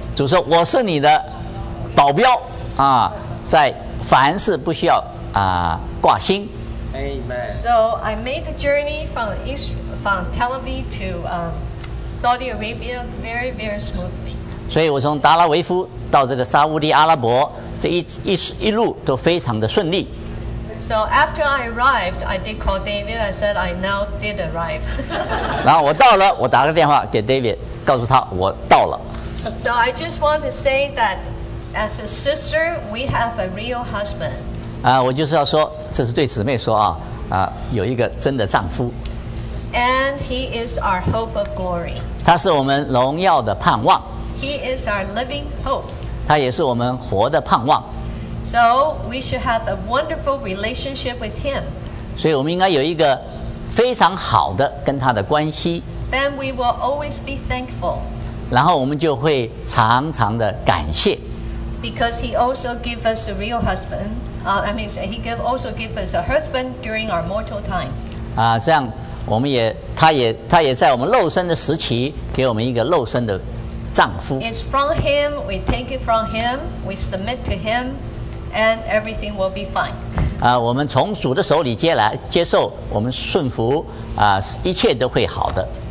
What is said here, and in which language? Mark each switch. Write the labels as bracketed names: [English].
[Chinese] 主说我是你的保镖啊，在凡事不需要挂心。 [English] Amen. So I made the journey from Tel Aviv to Saudi Arabia very very smoothly. [Chinese] 所以我从达拉维夫到这个沙乌地阿拉伯，这一路都非常的顺利。 [English] So after I arrived, I did call David. I said I now did arrive. [Chinese] 然后我到了，我打个电话给 David。告诉他我到了。 [English] So I just want to say that as a sister, we have a real husband. [Chinese] 我就是要说，这是对姊妹说啊，有一个真的丈夫。 [English] And he is our hope of glory. [Chinese] 他是我们荣耀的盼望。 [English] He is our living hope. [Chinese] 他也是我们活的盼望。 [English] So we should have a wonderful relationship with him. [Chinese] 所以我们应该有一个非常好的跟他的关系。 [English] Then we will always be thankful. [Chinese] 然后我们就会常常的感谢。 [English] Because he also gives us a real husband. He also gives us a husband during our mortal time. [Chinese] 这样我们也，他也在我们肉身的时期给我们一个肉身的丈夫。 [English] It's from him. We take it from him. We submit to him, and everything will be fine. [Chinese] 我们从主的手里接受，我们顺服一切都会好的。